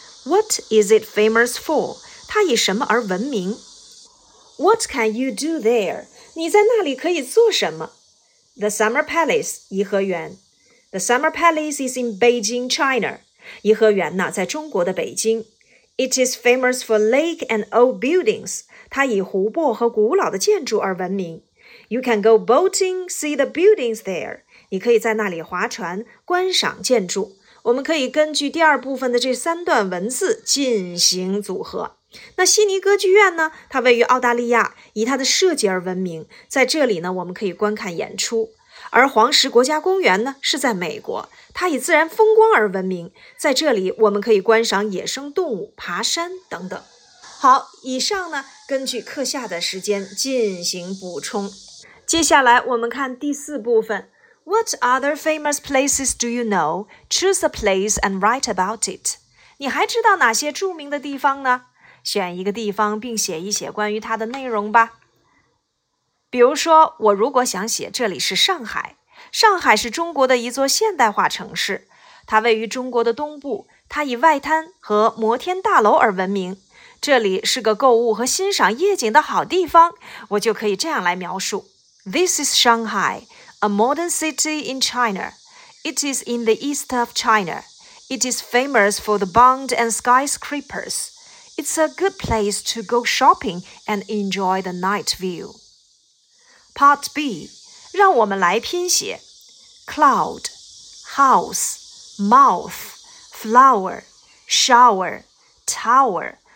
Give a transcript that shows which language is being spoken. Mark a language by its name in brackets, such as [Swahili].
[English] What is it famous for? [Chinese] 它以什么而闻名? [English] What can you do there? [Chinese] 你在那里可以做什么? [English] The Summer Palace, 颐和园。The Summer Palace is in Beijing, China. [Chinese] 颐和园呢在中国的北京。 [English] It is famous for lake and old buildings. [Chinese] 它以湖泊和古老的建筑而闻名。 [English] You can go boating, see the buildings there. [Chinese] 你可以在那里划船，观赏建筑。我们可以根据第二部分的这三段文字进行组合。那悉尼歌剧院呢？它位于澳大利亚，以它的设计而闻名。在这里呢，我们可以观看演出。而黄石国家公园呢，是在美国，它以自然风光而闻名。在这里，我们可以观赏野生动物、爬山等等。好，以上呢，根据课下的时间进行补充。接下来我们看第四部分。 [English] What other famous places do you know? Choose a place and write about it. [Chinese] 你还知道哪些著名的地方呢？选一个地方并写一写关于它的内容吧。比如说，我如果想写这里是上海。上海是中国的一座现代化城市，它位于中国的东部，它以外滩和摩天大楼而闻名。这里是个购物和欣赏夜景的好地方，我就可以这样来描述。 [English] This is Shanghai, a modern city in China. It is in the east of China. It is famous for the bund and skyscrapers. It's a good place to go shopping and enjoy the night view. Part B, [Chinese] 让我们来拼写。 [English] Cloud, house, mouth, flower, shower, tower.